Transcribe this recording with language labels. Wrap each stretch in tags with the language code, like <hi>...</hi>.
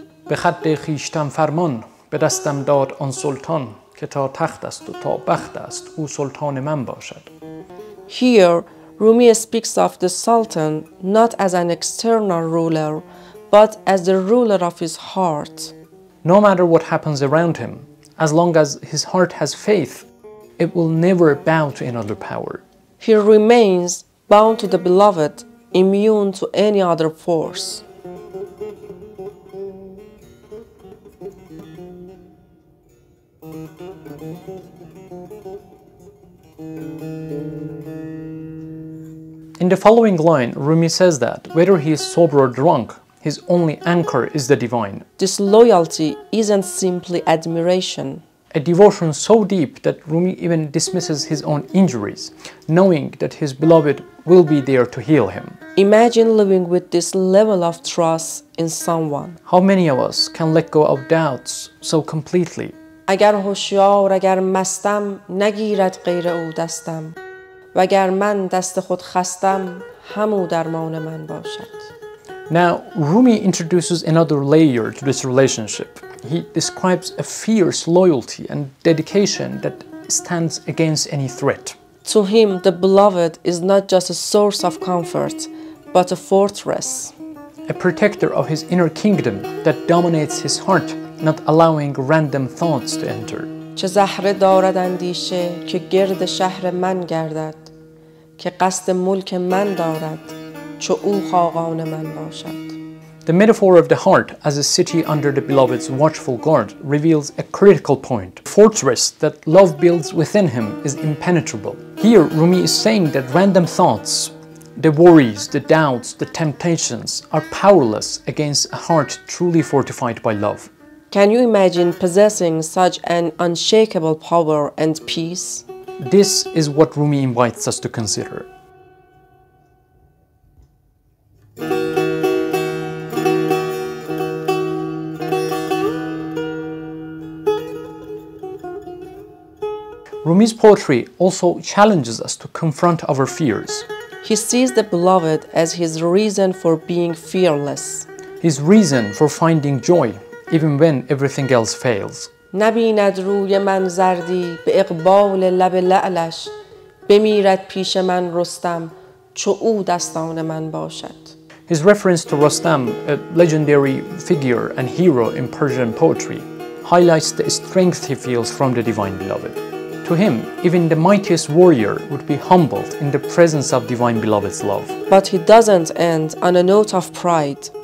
<fa>بخد خیشتم فرمان به دستم داد آن سلطان که تا تخت است و تا بخت است او سلطان من باشد.</fa> <en>Here, Rumi speaks of the sultan not as an external ruler, but as the ruler of his heart. No matter what happens around him, as long as his heart has faith, it will never bow to another power. He remains bound to the beloved, immune to any other force. In the following line, Rumi says that whether he is sober or drunk, his only anchor is the divine. This loyalty isn't simply admiration. A devotion so deep that Rumi even dismisses his own injuries, knowing that his beloved will be there to heal him. Imagine living with this level of trust in someone. How many of us can let go of doubts so completely?</en> <fa>اگر هوشیار اگر مستم نگیرد غیر او دستم وگر من دست خود خستم همو درمان من باشد.</fa> <en>Now, Rumi introduces another layer to this relationship. He describes a fierce loyalty and dedication that stands against any threat. To him, the beloved is not just a source of comfort, but a fortress. A protector of his inner kingdom that dominates his heart, not allowing random thoughts to enter.</en> <fa>چه زهره دارد اندیشه که گرد شهر من گردد که قصد ملک من دارد چو او خاقان من باشد.</fa> <en>The metaphor of the heart as a city under the beloved's watchful guard reveals a critical point. The fortress that love builds within him is impenetrable. Here, Rumi is saying that random thoughts, the worries, the doubts, the temptations are powerless against a heart truly fortified by love. Can you imagine possessing such an unshakable power and peace? This is what Rumi invites us to consider. Rumi's poetry also challenges us to confront our fears. He sees the beloved as his reason for being fearless. his reason for finding joy even when everything else fails.</en> <fa>نبیند روی من زردی به اقبال لب لعلش بمیرد پیش من رستم چو او دستان من باشد.</fa> <en>His reference to Rustam, a legendary figure and hero in Persian poetry, highlights the strength he feels from the Divine Beloved. To him, even the mightiest warrior would be humbled in the presence of Divine Beloved's love. But he doesn't end on a note of pride.</en>